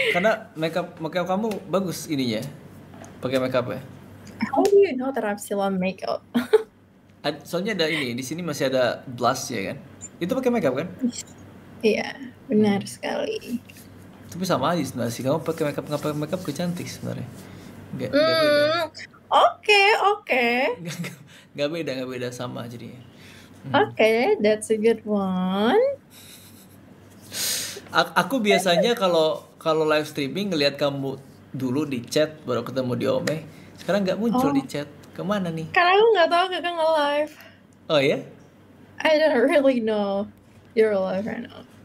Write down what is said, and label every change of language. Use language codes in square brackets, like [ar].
[id] Karena makeup kamu bagus ininya. Pakai makeup ya. [en] How do you know that I'm still on makeup? [id] Soalnya ada ini, di sini masih ada blush ya kan? Itu pakai makeup kan? Iya, benar sekali. Tapi sama aja sebenarnya sih. Kamu pakai makeup nggak pakai makeup kecantik sebenarnya. Nggak beda. Oke. Nggak beda, nggak beda, sama jadinya. [en] Okay, that's a good one. [id] Aku biasanya kalau kalau live streaming ngelihat kamu dulu di chat baru ketemu di Ome. Sekarang nggak muncul Oh, di chat. Kemana nih? karena aku nggak tahu kakak nge-live. Oh ya? [en] I don't really know you're alive right now.